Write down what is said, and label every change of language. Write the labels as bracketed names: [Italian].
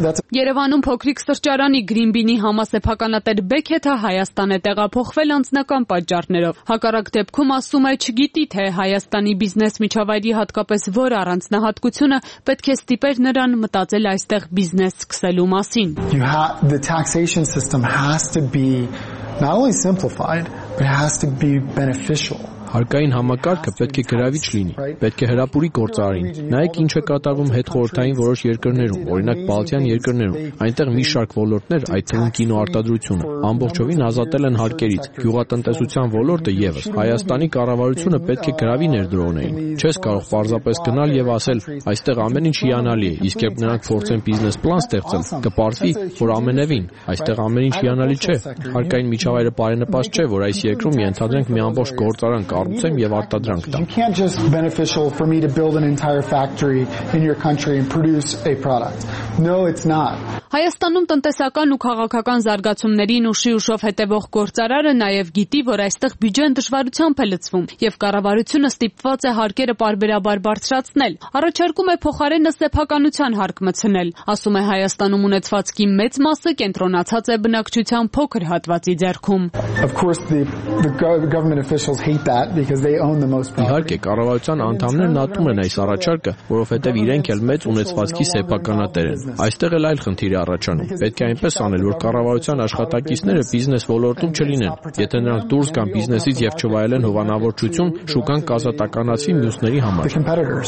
[Armenian] Երևանում փոքրիկ սրճարանի Գրինբինի համասեփականատեր Բեքետը Հայաստան է տեղափոխվել անձնական պատճառներով։ Հակառակ դեպքում ասում է, չգիտի թե Հայաստանի բիզնես միջավայրի հատկապես որ առանձնահատկությունը պետք է ստիպեր նրան մտածել այստեղ բիզնես սկսելու մասին։ [English] The taxation system has to be not only simplified, but has to be beneficial. [Armenian] Հարկային համակարգը պետք է գրավիչ լինի, պետք է հրապուրի գործարարին։ Նայեք ինչ է կատարվում հետխորհրդային որոշ երկրներում, օրինակ Բալթյան երկրներում։ Այնտեղ մի շարք ոլորտներ, այդ թվում կինոարտադրությունը, ամբողջովին ազատել են հարկերից։ Գյուղատնտեսության ոլորտը եւս Հայաստանի կառավարությունը պետք է գրավի ներդրողներին։ Չես կարող պարզապես գնալ եւ ասել, այստեղ ամեն ինչ հիանալի է, իսկ եթե նրանք փորձեն բիզնես պլան ստեղծել, կպարտվի, որ ամենևին այստեղ ամեն ինչ հիանալի չէ։ Հարկային միջավայրը բարենպաստ չէ, որ այս երկրում ենթադրենք մի ամբողջ գործարան կառուցեմ եւ արտադրանք տամ։ [English] You can't just beneficial for me to build an entire factory in your country and produce a product. No, it's not. [Armenian] Հայաստանում տնտեսական ու քաղաքական զարգացումներին ուշի ուշով հետևող գործարարը նաև գիտի, որ այստեղ բյուջեն դժվարությամբ է լցվում, եւ կառավարությունը ստիպված է հարկերը պարբերաբար բարձրացնել։ Առաջարկում է փոխարենը սեփականության հարկ մցնել։ Ասում է, Հայաստանում ունեցվածքի մեծ մասը կենտրոնացած է բնակչության փոքր հատվածի ձեռքում։ [English] Of course the government officials hate that because they own the most property. [Armenian] Իհարկե, կառավարության անդամներն ատում են այս առաջարկը, որովհետեւ իրենք էլ մեծ ունեցվածքի սեփականատեր են։ Այստեղ էլ այլ իր առաջանում։ Պետք է այնպես անել, որ կառավարության աշխատակիցները բիզնես ոլորտում չլինեն։ Եթե նրանք դուրս գան բիզնեսից եւ չվայելեն հովանավորչություն, շուկան կազատականացվի մյուսների համար։